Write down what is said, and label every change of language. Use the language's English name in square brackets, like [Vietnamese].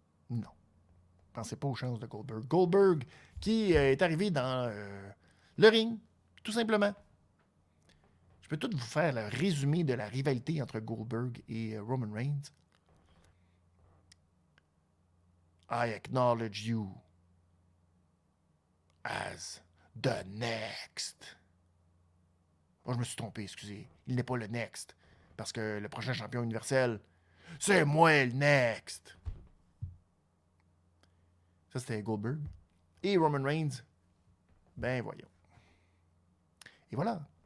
[French] Non. Pensez pas aux chances de Goldberg. Goldberg, qui est arrivé dans le ring, tout simplement. Je peux tout vous faire le résumé de la rivalité entre Goldberg et Roman Reigns. [English] I acknowledge you as the next. [French] Moi, je me suis trompé, excusez. Il n'est pas le next. Parce que le prochain champion universel, c'est moi le next. Ça, c'était Goldberg. Et Roman Reigns, ben voyons. Et voilà.